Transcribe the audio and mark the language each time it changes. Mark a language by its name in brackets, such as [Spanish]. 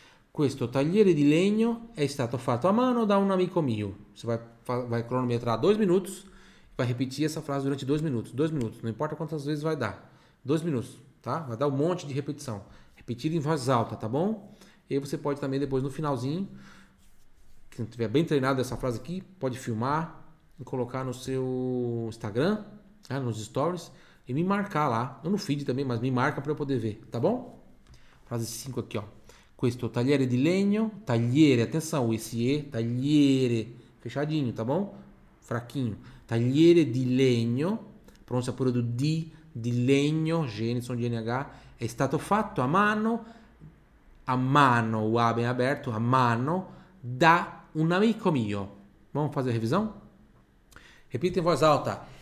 [Italian] Questo tagliere di legno è stato fatto a mano da un amico mio. [Portuguese] Você vai cronometrar 2 minutos, vai repetir essa frase durante 2 minutos. 2 minutos, não importa quantas vezes vai dar. 2 minutos, tá? Vai dar um monte de repetição. Repetir em voz alta, tá bom? E aí você pode também depois no finalzinho, quem tiver bem treinado essa frase aqui, pode filmar e colocar no seu Instagram, né, nos stories, e me marcar lá. Ou no feed também, mas me marca para eu poder ver, tá bom? Frase 5 aqui, ó. [Italian] Questo tagliere di legno, tagliere, attenzione, [Portuguese] esse tagliere, fechadinho, tá bom? Fraquinho. [Italian] Tagliere di legno, pronuncia pure do di legno, Genison di NH, è stato fatto a mano, [Portuguese] o A bem aberto, [Italian] a mano, da un amico mio. [Portuguese] Vamos fazer a revisão? Repita em voz alta.